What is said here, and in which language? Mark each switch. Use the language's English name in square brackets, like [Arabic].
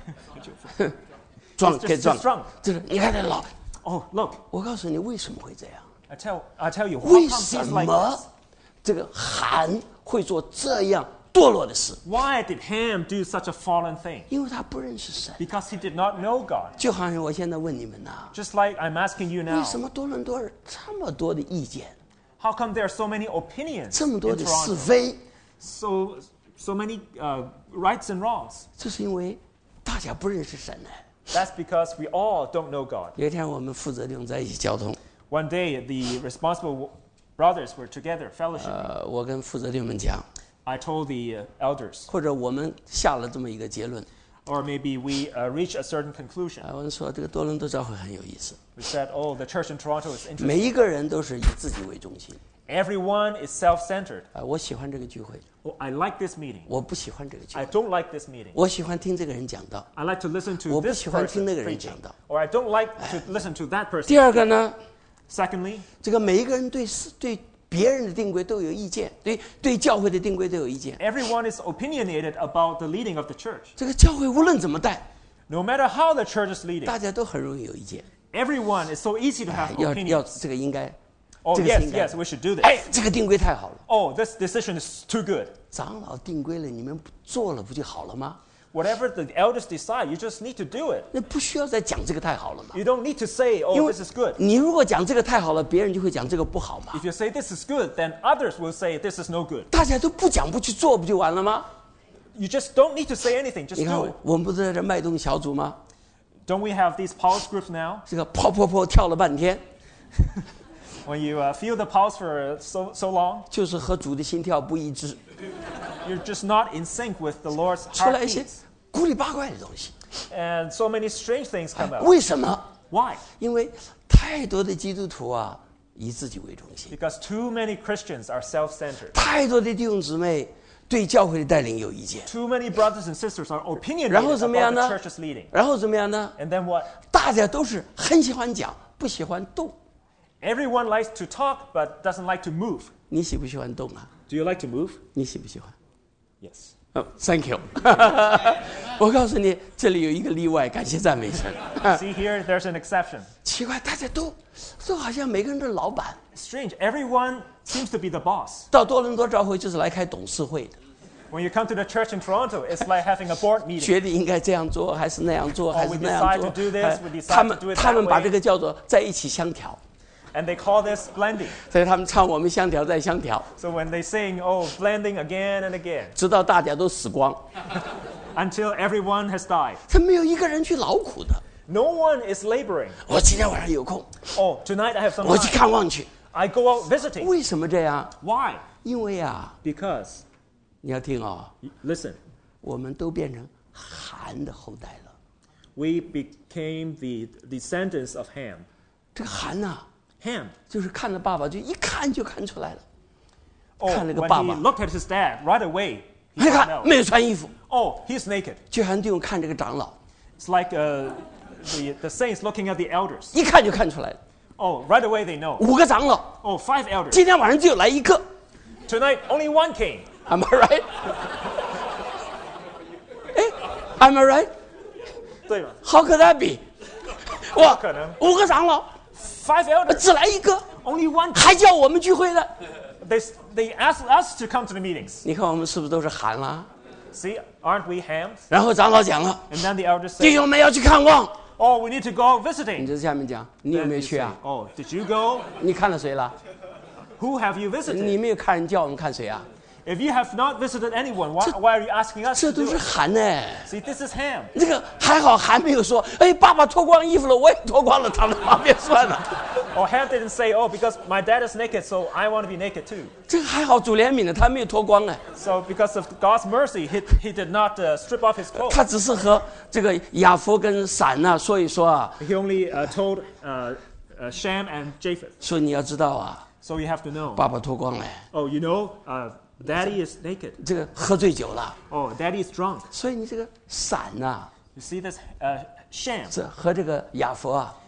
[Chinese] 发酒疯了撞就是你看这老 [English] oh look [Chinese] 我告诉你为什么会这样 [English] I tell you [Chinese] 为什么这个韩会做这样堕落的事 [English] Why did Ham do such a fallen thing? [Chinese] 因为他不认识神 [English] Because he did not know God. [Chinese] 就好像我现在问你们呐 [English] Just like I'm asking you now. [Chinese] 为什么多伦多这么多的意见 [English] How come there are so many opinions? [Chinese] 这么多的是非 [English] So many rights and wrongs. [Chinese] 这是因为大家不认识神呢 [English] That's because we all don't know God. [Chinese] 有一天我们负责的用在一起交通 [English] One day the responsible brothers were together fellowship. [Chinese] 我跟负责的们讲 [English] I told the elders. [Chinese] 或者我们下了这么一个结论。 [English] or maybe we reach a certain conclusion. [Chinese] 啊、我们说这个多伦多教会很有意思。 [English] We said, oh, the church in Toronto is interesting. [Chinese] 每一个人都是以自己为中心。 [English] Everyone is self-centered. [Chinese] 啊、我喜欢这个聚会。 [English] Oh, I like this meeting. [Chinese] 我不喜欢这个聚会。 [English] I don't like this meeting. [Chinese] 我喜欢听这个人讲道。 [English] I like to listen to this person preaching. [Chinese] 我不喜欢听那个人讲道。 [English] Or I don't like to listen to that person. [Chinese] 第二个呢？ [English] Secondly, [Chinese] 这个每一个人对别人的定规都有意见，对教会的定规都有意见。 [English] Everyone is opinionated about the leading of the church. [Chinese] 这个教会无论怎么带 [English] ，No matter how the church is leading, [Chinese] 大家都很容易有意见。 [English] Everyone is so easy to have opinions. [Chinese] 要这个应该。 [English] Oh, yes, we should do this. [Chinese] 哎，这个定规太好了。 [English] Oh, this decision is too good. [Chinese] 长老定规了，你们做了不就好了吗？ [English] Whatever the elders decide, you just need to do it. [Chinese] 那不需要再讲这个太好了嘛。 [English] You don't need to say, oh, this is good. [Chinese] 你如果讲这个太好了，别人就会讲这个不好嘛。 [English] If you say this is good, then others will say this is no good. [Chinese] 大家都不讲不去做不就完了吗？ [English] You just don't need to say anything, just do it. [Chinese] 你看，我们不是在这脉动小组吗？ [English] Don't we have these pulse groups now? [Chinese] 这个跑跑跑跳了半天。 [English] When you feel the pulse for so long, [Chinese] 就是和主的心跳不一致。 [English] You're just not in sync with the Lord's heartbeat. [Chinese] 出来一些古里八怪的东西。 [English] And so many strange things come up. [Chinese] 为什么？ [English] Why? [Chinese] 因为太多的基督徒啊，以自己为中心。 [English] Because too many Christians are self-centered. [Chinese] 太多的弟兄姊妹对教会的带领有意见。 [English] Too many brothers and sisters are opinionated about the church's leading. [Chinese] 然后怎么样呢？ [English] And then what? [Chinese] 大家都是很喜欢讲，不喜欢动。 [English] Everyone likes to talk, but doesn't like to move. [Chinese] 你喜不喜欢动啊？ [English] Do you like to move? [Chinese] 你喜不喜欢？ [English] Yes. Oh, thank you. [Chinese] 我告诉你，这里有一个例外，感谢赞美神。 [English] See here, there's an exception. [Chinese] 奇怪，大家都好像每个人都是老板。 [English] Strange, everyone seems to be the boss. [Chinese] 到多伦多教会就是来开董事会的。 [English] When you come to the church in Toronto, it's like having a board meeting. [Chinese] 决定应该这样做还是那样做还是那样做。 [English] Oh, we decide to do this. We decide to do it that way. [Chinese] 他们把这个叫做在一起相调。 [English] And they call this blending. [Chinese] 所以他们唱我们相调再相调。 [English] So when they sing, oh, blending again and again. [Chinese] 直到大家都死光。 [English] Until everyone has died. [Chinese] 他没有一个人去劳苦的。 [English] No one is laboring. [Chinese] 我今天晚上有空。 [English] Oh, tonight I have some time. [Chinese] 我去看望去。 [English] I go out visiting. [Chinese] 为什么这样？ [English] Why? [Chinese] 因为啊。 [English] Because. [Chinese] 你要听哦。 [English] Listen. [Chinese] 我们都变成韩的后代了。 [English] We became the descendants of Ham. [Chinese] 这个韩呢、啊？ [English] Ham. [Chinese] 就是看着爸爸就一看就看出来了、 [English] oh, [Chinese] 看那个爸爸 [English] when he looked at his dad right away he [Chinese] 看没有穿衣服 [English] oh he's naked [Chinese] 就像弟兄看这个长老 [English] it's like the saints looking at the elders [Chinese] 一看就看出来了 [English] oh right away they know [Chinese] 五个长老 [English] oh five elders [Chinese] 今天晚上就来一个 [English] tonight only one came am I right [Chinese] 哎 [English] am I right [Chinese] 对吗 [English] how could that be [Chinese] 哇可能五个长老 [English] Five elders, [Chinese] 只来一个 [English] only one, [Chinese] 还叫我们聚会呢 [English] they asked us to come to the meetings. [Chinese] 你看我们是不是都是韩了 [English] See, aren't we hams? [Chinese] 然后长老讲了 [English] And then the elders say, [Chinese] 弟兄们要去看望 [English] Oh, we need to go visiting. [Chinese] 你就下面讲你有没有去啊 [English] say, Oh, did you go? [Chinese] 你看了谁了 [English] Who have you visited? [Chinese] 你没有看叫我们看谁啊 [English] If you have not visited anyone, why are you asking us to do it? [Chinese] 这都是韩呢、欸、 [English] See, this is ham. [Chinese] 这个还好韩没有说哎，爸爸脱光衣服了我也脱光了躺在旁边算了 [English] Or Ham didn't say, oh, because my dad is naked, so I want to be naked too. [Chinese] 这个还好主怜悯的他没有脱光哎。 [English] So because of God's mercy, he did not strip off his clothes. [Chinese] 他只是和这个亚弗跟闪呢、啊、说一说啊。 [English] He only told Shem and Japheth. [Chinese] 说你要知道啊。 [English] So you have to know. [Chinese] 爸爸脱光哎。 [English] Oh, you know, daddy is naked. [Chinese] 这个喝醉酒了。 [English] Oh, daddy is drunk. [Chinese] 所以你这个闪呢、啊、 [English] You see this Shem. [Chinese] 这和这个亚弗啊。